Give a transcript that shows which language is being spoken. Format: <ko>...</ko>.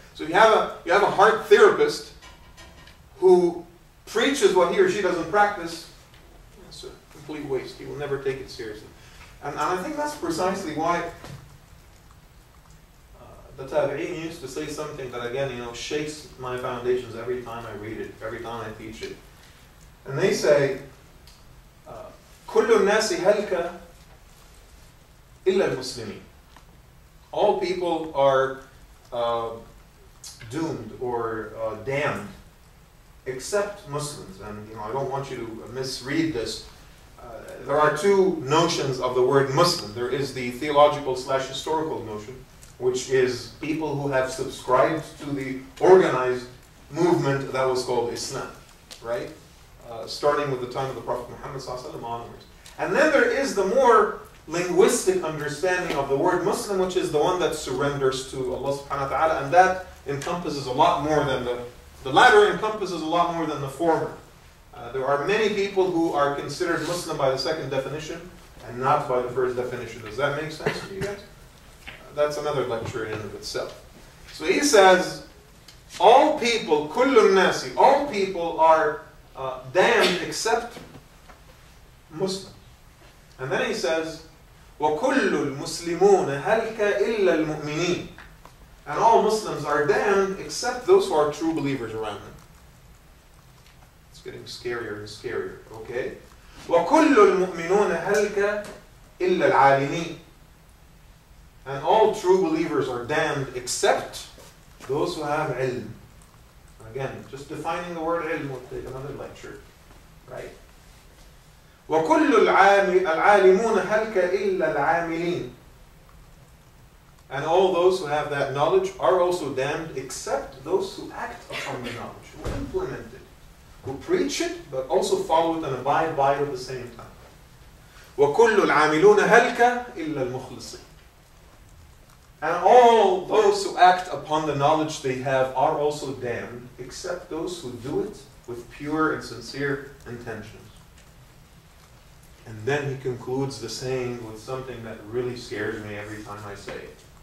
<en>So you have a heart therapist who preaches what he or she doesn't practice, it's a complete waste. He will never take it seriously. And I think that's precisely why the Tabi'in used to say something that, again, you know, shakes my foundations every time I read it, every time I teach it. And they say,</en> <ar>كل الناس هلكة إلا المسلمين.</ar> <en>All people are doomed or damned except Muslims. And you know, I don't want you to misread this. There are two notions of the word Muslim. There is the theological / historical notion, which is people who have subscribed to the organized movement that was called Islam, right? Starting with the time of the Prophet Muhammad ﷺ onwards. And then there is the more linguistic understanding of the word Muslim, which is the one that surrenders to Allah subhanahu wa ta'ala, and that encompasses a lot more than the latter encompasses a lot more than the former. There are many people who are considered Muslim by the second definition and not by the first definition. Does that make sense to you guys? That's another lecture in and of itself. So he says, all people,</en> <ar>kullu nasi,</ar> <en>all people are damned except Muslims.</en> <ar>And then he says, وَكُلُّ الْمُسْلِمُونَ هَلْكَ إِلَّا الْمُؤْمِنِينَ.</ar> <en>And all Muslims are damned except those who are true believers around them. It's getting scarier and scarier. Okay.</en> <ar>وكل المؤمنون هلك إلا العالمين.</ar> <en>And all true believers are damned except those who have ilm. Again, just defining the word ilm will take another lecture, right?</en> <ar>وكل العالمون هلك إلا العاملين.</ar> <en>And all those who have that knowledge are also damned except those who act upon the knowledge, who implement it, who preach it, but also follow it and abide by it at the same time.</en> <ar>وكل العاملون هلك إلا المخلصين.</ar> <en>And all those who act upon the knowledge they have are also damned, except those who do it with pure and sincere intentions. And then he concludes the saying with something that really scares me every time I say it.</en>